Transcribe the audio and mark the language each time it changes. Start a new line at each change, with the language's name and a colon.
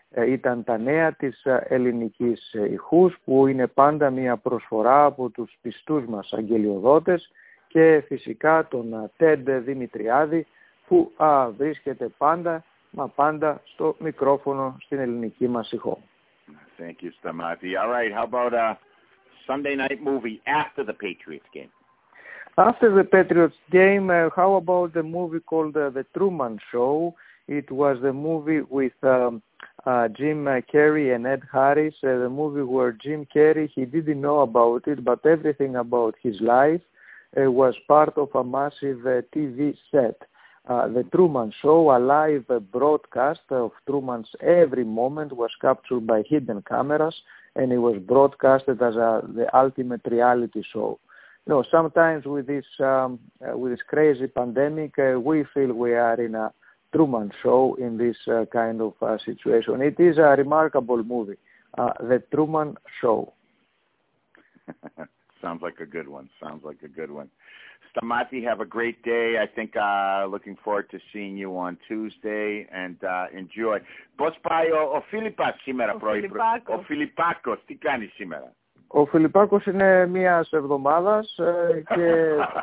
Greek: Ήταν τα νέα της ελληνικής ηχούς, που είναι πάντα μια προσφορά από τους πιστούς μας αγγελιοδότες και φυσικά τον Τεντ Δημητριάδη, που βρίσκεται πάντα, μα πάντα, στο μικρόφωνο στην ελληνική μας ηχό.
English: Thank you, Stamati. All right, how about a Sunday night movie after the Patriots game? After the Patriots game, how about the movie called The Truman Show? It was the movie with Jim Carrey and Ed Harris, the movie where Jim Carrey, he didn't know about it, but everything about his life was part of a massive TV set. The Truman Show, a live broadcast of Truman's every moment, was captured by hidden cameras, and it was broadcasted as the ultimate reality show. You know, sometimes with this crazy pandemic, we feel we are in a Truman Show in this kind of situation. It is a remarkable movie, The Truman Show. Sounds like a good one. Sounds like a good one. Stamati, have a great day. I think looking forward to seeing you on Tuesday, and enjoy.
Greek: Πώς πάει ο Φιλιππάκος σήμερα πρωί? Ο Φιλιππάκος, τι κάνει σήμερα? Ο Φιλιππάκος είναι μιας εβδομάδας και